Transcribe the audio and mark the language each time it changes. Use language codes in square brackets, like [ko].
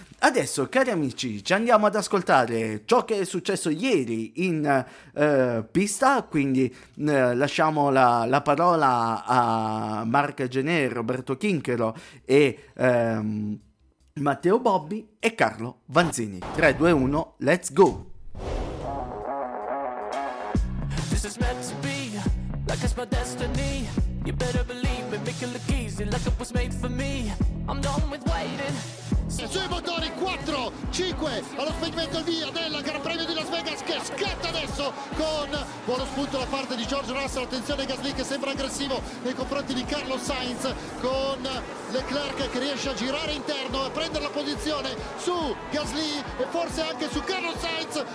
[it] Adesso, cari amici, ci andiamo ad ascoltare ciò che è successo ieri in pista, quindi lasciamo la parola a Marc Genè, Roberto Chinchero e Matteo Bobbi e Carlo Vanzini. [en] 3, 2, 1, let's go! This is meant to be, like it's my destiny. You better believe me, make it look easy, like it was made for me. I'm done with waiting. [it] Sui motori 4, 5 allo spegnimento via della Gran Premio di Las Vegas che scatta adesso con buono spunto da parte di George Russell. Attenzione Gasly che sembra aggressivo nei confronti di Carlos Sainz, con Leclerc che riesce a girare interno e prendere la posizione su Gasly e forse anche su Carlos Sainz.